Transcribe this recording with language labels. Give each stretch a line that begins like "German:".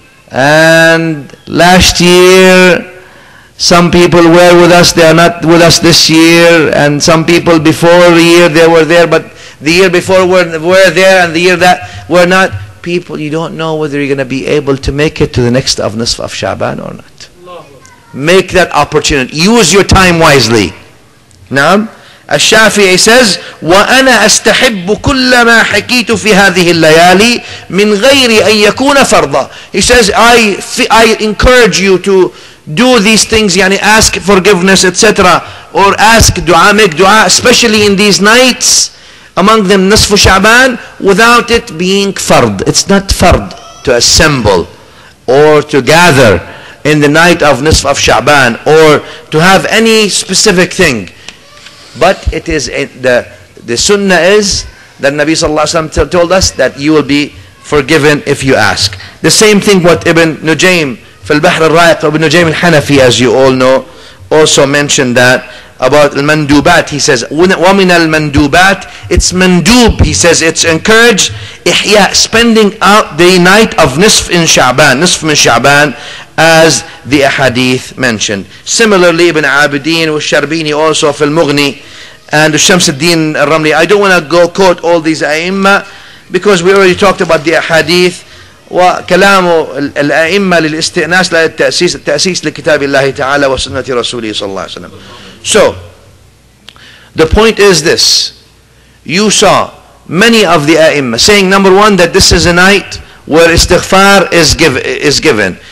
English: And last year, some people were with us, they are not with us this year. And some people before the year, they were there, but the year before were there, and the year that were not. People, you don't know whether you're going to be able to make it to the next of Nisf of Sha'ban or not. Make that opportunity. Use your time wisely. Now, الشافعي says,
Arabic: وأنا أستحب كل ما حكيت في هذه الليالي من غير أن يكون فرضا.
English: He says, I encourage you to do these things, يعني ask forgiveness, etc. Or ask dua, make dua, especially in these nights, among them نصف شعبان, without it being فرض. It's not فرض to assemble or to gather in the night of نصف of شعبان or to have any specific thing. But it is the sunnah is that Nabi sallallahu alaihi wasallam told us that you will be forgiven if you ask. The same thing what Ibn Nujaym
Arabic: في البحر الرائق,
English: Ibn Nujaym al-Hanafi, as you all know, also mentioned that about al-mandubat. He says, وَمِنَ al-mandubat, it's mandub, he says, it's encouraged, ihya, spending out the night of nisf in Sha'ban, nisf min Sha'ban, as the ahadith mentioned. Similarly, Ibn Abidin al-Sharbini also
Arabic: في المغني
English: and Shams al-Din al-Ramli. I don't want to go quote all these a'imma because we already talked about the ahadith.
Arabic: وكلام الأئمة للاستئناس للتأسيس لكتاب الله تعالى وسنة رسوله صلى الله عليه وسلم.
English: So the point is this: you saw many of the أئمة saying, number one, that this is a night where istighfar is given.